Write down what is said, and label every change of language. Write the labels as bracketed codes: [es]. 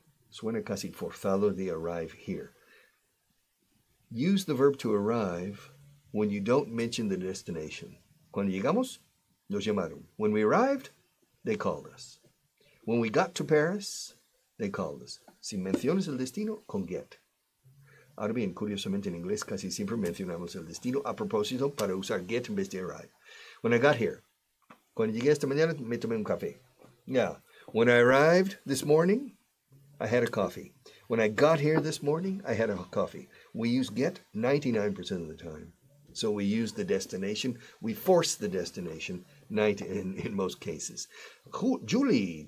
[es] Suena casi forzado de [en] arrive here. Use the verb to arrive when you don't mention the destination. [es] Cuando llegamos, nos llamaron. [en] When we arrived, they called us. When we got to Paris, they called us. [es] Si mencionas el destino, con get. Ahora bien, curiosamente en inglés casi siempre mencionamos el destino a propósito para usar get en vez de arrive. [en] When I got here. [es] Cuando llegué esta mañana, me tomé un café. [en] Yeah. When I arrived this morning, I had a coffee. When I got here this morning, I had a coffee. We use get 99% of the time. So we use the destination. We force the destination in most cases. Julie.